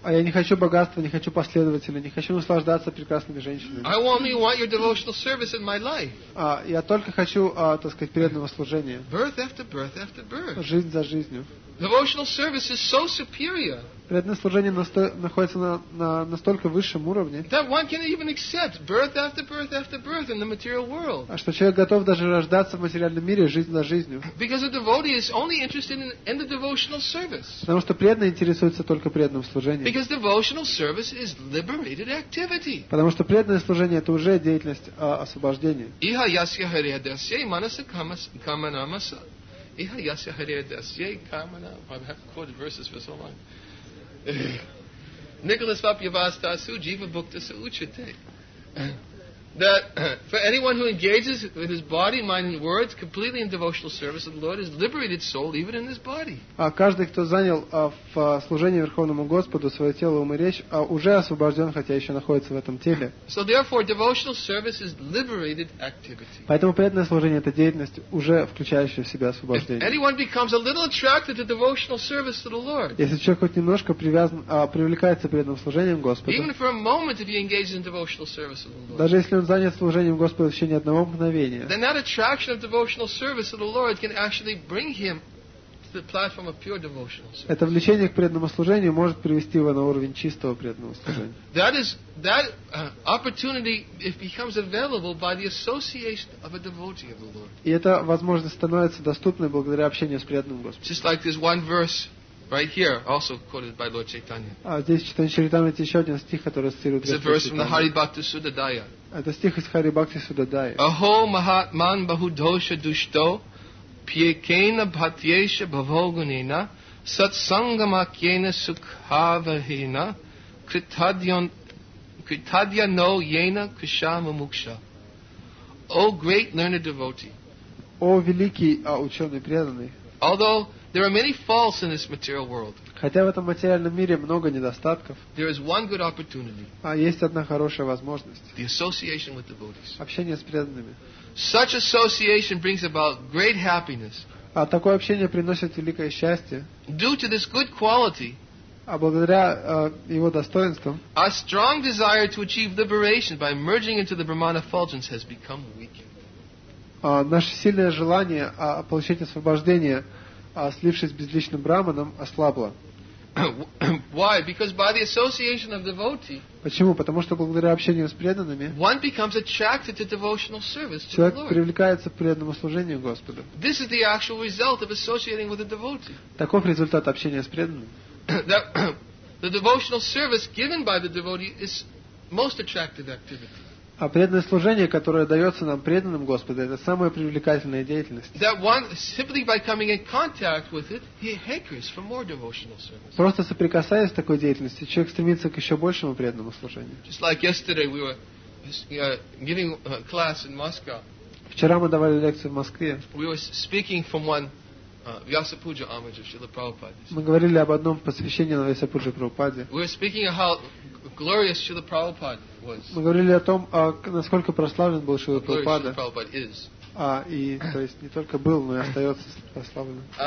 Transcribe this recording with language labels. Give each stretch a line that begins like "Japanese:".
Russian: А я не хочу богатства, не хочу последователей, не хочу наслаждаться прекрасными женщинами.
English: I only want your devotional service in my life.
Russian: Я только хочу, так сказать, преданного служения.
English: Birth after birth after birth.
Russian: Жизнь за жизнью.
English: Devotional service is so superior.
Russian: Преданное служение находится на настолько высшем уровне.
English: That one can even accept birth after birth after birth in the material world.
Russian: А что человек готов даже рождаться в материальном мире жизнь за жизнью?
English: Because a devotee is only interested in the devotional service.
Russian: Потому что преданный интересуется только преданным служением.
English: Because devotional service is liberated activity.
Russian: Потому что преданное служение это уже деятельность освобождения.
Sanskrit: Иха ясья хари адасья манаса каманамаса. Иха ясья хари адасья каманамаса.
English: I've quoted verses for so long.
Sanskrit: Nicholas Vapyavastasu Jiva Bhukta Sauchate.
English: That for anyone who engages with his body, mind, and words completely in devotional service of the Lord is liberated soul even in this body.
Russian: А каждый, кто занял в служении Верховному Господу свое тело, ум и речь, уже освобожден, хотя еще находится в этом теле.
English: So therefore, devotional service is liberated activity.
Russian: Поэтому преданное служение – это деятельность, уже включающая в себя освобождение.
English: If anyone becomes a little attracted to devotional service to the Lord.
Russian: Если человек хоть немножко привязан, привлекается преданным служением Господу.
English: Even for a moment, if he engages in devotional service of the Lord.
Russian: Даже если он занят служением Господу в течение одного мгновения.
English: Then that attraction of devotional service to the Lord can actually bring him to the platform of pure devotional service.
Russian: Это влечение к преданному служению может привести его на уровень чистого преданного служения.
English: That is that opportunity if becomes available by the association of a devotee of the Lord.
Russian: И эта возможность становится доступной благодаря общению с преданным Господом.
English: Just like this one verse right here, also quoted by Lord Chaitanya.
Russian: А здесь читаем Чаритамрита еще один стих, который цитирует.
English: It's a verse from the Haribhakta Sudadaya.
Russian: Это стих из Хари Бхакти Судадая.
Sanskrit: Ахо махатман бахудоша душто пьекена бхатьеша бхавогунина сатсангамакьена сукхавахина критадьяно йена кришамамукша.
English: О great learned devotee.
Russian: О великий ученый преданный.
English: Although there are many faults in this material world.
Russian: Хотя в этом материальном мире много недостатков.
English: There is one good opportunity.
Russian: А есть одна хорошая возможность.
English: The association with devotees.
Russian: Общение с преданными.
English: Such association brings about great happiness.
Russian: А такое общение приносит великое счастье.
English: Due to this good quality.
Russian: А благодаря его достоинствам.
English: A strong desire to achieve liberation by merging into the Brahman effulgence has become weakened.
Russian: Наше сильное желание получить освобождение, слившись с безличным Брахманом, ослабло.
English: Why? Because by the association of devotee.
Russian: Почему? Потому что благодаря общению с преданными.
English: One becomes attracted to devotional service.
Russian: Человек привлекается к преданному служению Господу.
English: This is the actual result of associating with a devotee.
Russian: Таков результат общения с преданным.
English: The devotional service given by the devotee is most attractive activity.
Russian: А преданное служение, которое дается нам преданным Господу, это самая привлекательная деятельность. Просто соприкасаясь с такой деятельностью, человек стремится к еще большему преданному служению. Вчера мы давали лекцию в Москве.
English: We were speaking from one Vyasapuja homage of Srila Prabhupada.
Russian: Мы говорили об одном посвящении на Вьясапуджа Прабхупаде.
English: We were speaking of how glorious Srila Prabhupada was.
Russian: Мы говорили о том, насколько прославлен был Шрила Прабхупада. И то есть не только был, но и остается прославленным.